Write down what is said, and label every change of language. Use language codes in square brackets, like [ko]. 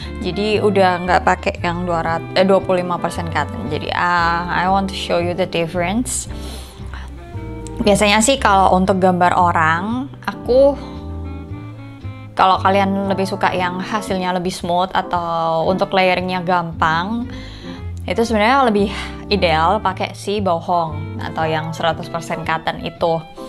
[id] Jadi udah enggak pakai yang 25% cotton. [en] Jadi I want to show you the difference. [id] Biasanya sih kalau untuk gambar orang, aku kalau kalian lebih suka yang hasilnya lebih smooth atau untuk layeringnya gampang, itu sebenarnya lebih ideal pakai si bohong atau yang 100% cotton itu.